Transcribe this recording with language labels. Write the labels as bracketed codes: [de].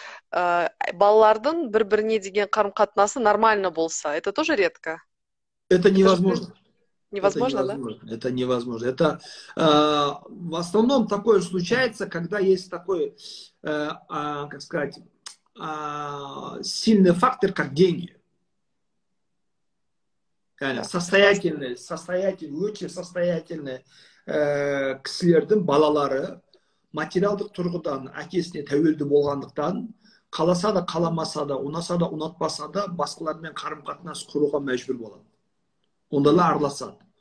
[kk] Балалардың бір-біріне деген қарым-қатынасы нормально болса, [ru] это тоже редко. Это невозможно. Невозможно, да? Это невозможно. Это в основном такое случается, когда есть такой, сильный фактор, как деньги. [kk] Состоятельные, кісілердің балалары материалдық тұрғыдан әкесіне тәуелді болғандықтан, қаласа да қаламаса да, ұнаса да ұнатпаса да, басқалармен қарым-қатынас құруға мәжбүр болады. Ондайлар араласады.